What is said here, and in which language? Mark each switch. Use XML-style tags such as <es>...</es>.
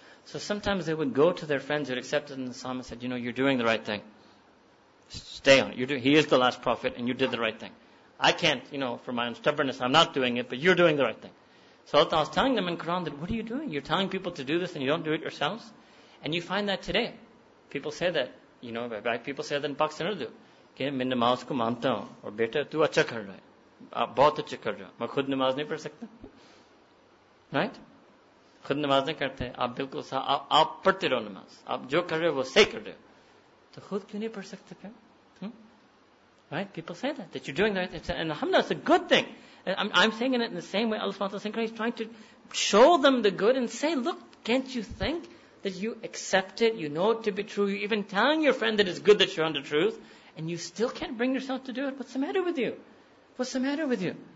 <en>So sometimes they would go to their friends who had accepted Islam and said, you know, you're doing the right thing. Stay on it. He is the last prophet and you did the right thing. I can't, you know, for my own stubbornness, I'm not doing it, but you're doing the right thing. So Allah Ta'ala is telling them in Quran that, what are you doing? You're telling people to do this and you don't do it yourselves? And you find that today. People say that, you know, right? People say that in Pakistan Urdu.</en> <ur>Okay, میں نماز کو مانتا ہوں۔ اور بیٹا، تو اچھا کر رہا ہے۔ آپ بہت اچھا کر رہا ہے۔ میں خود نماز نہیں پڑھ سکتا۔</ur> <en>Right?</en> <ur>خود نماز نہیں کرتے۔ آپ بالکل سا، آپ پڑھتے رہو نماز۔ آپ جو کر رہا ہے، وہ صحیح کر رہا ہے۔ تو خود کیوں نہیں پڑھ سکتے پھر؟</ur> <en>Right? People say that you're doing the right thing. And alhamdulillah, it's a good thing. I'm saying it in the same way Allah subhanahu wa ta'ala is trying to show them the good and say, look, can't you think that you accept it, you know it to be true, you're even telling your friend that it's good that you're on the truth, and you still can't bring yourself to do it? What's the matter with you? What's the matter with you?</en>